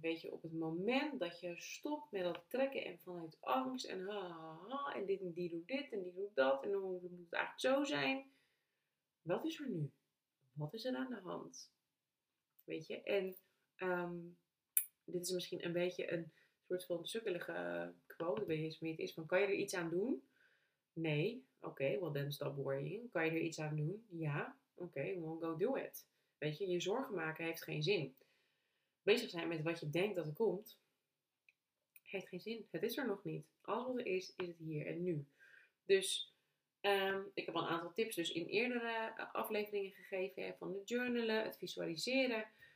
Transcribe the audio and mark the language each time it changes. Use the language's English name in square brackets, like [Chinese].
[Dutch] Weet je, op het moment dat je stopt met dat trekken en vanuit angst en ha, en dit en die doet dit en die doet dat en hoe moet het eigenlijk zo zijn. Wat is er nu? Wat is er aan de hand? Weet je, en dit is misschien een beetje een soort van sukkelige quote, weet je, het is van, kan je er iets aan doen? [English] Nee, oké, well then stop worrying. [Dutch] Kan je er iets aan doen? Ja, oké, [English] well go do it. [Dutch] Weet je, je zorgen maken heeft geen zin. Bezig zijn met wat je denkt dat er komt, heeft geen zin. Het is er nog niet. Alles wat er is, is het hier en nu. Dus, ik heb al een aantal tips dus in eerdere afleveringen gegeven, van het journalen, het visualiseren.